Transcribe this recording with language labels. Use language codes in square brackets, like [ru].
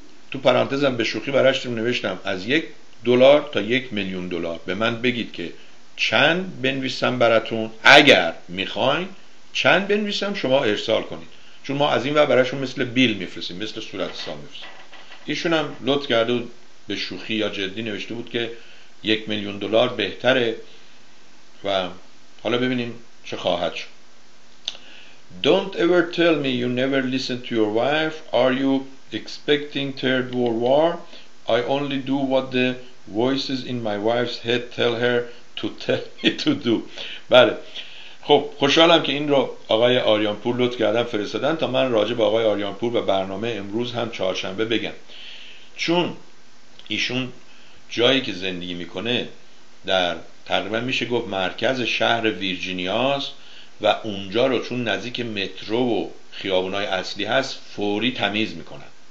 [fa] تو پرانتزم به شوخی براش نوشتم از 1 دلار تا 1,000,000 دلار به من بگید که چند بنویسم براتون، اگر میخواین چند بنویسم شما ارسال کنید، چون ما از این ور براشون مثل بیل میفرسیم، مثل صورت حساب میفرسیم. ایشون هم لطف کرده بود به شوخی یا جدی نوشته بود که 1,000,000 دلار بهتره و حالا ببینیم چه خواهد شد. [en] Don't ever tell me you never listen to your wife. Are you expecting third world war? I only do what the voices in my wife's head tell her [fa] تو بله. خب خوشحالم که این رو آقای آریانپور لطف کردن فرستادن تا من راجع به آقای آریانپور و برنامه امروز هم چهارشنبه بگم، چون ایشون جایی که زندگی میکنه در تقریبا میشه گفت مرکز شهر ویرجینیا است و اونجا رو چون نزدیک مترو و خیابونای اصلی هست فوری تمیز میکنن،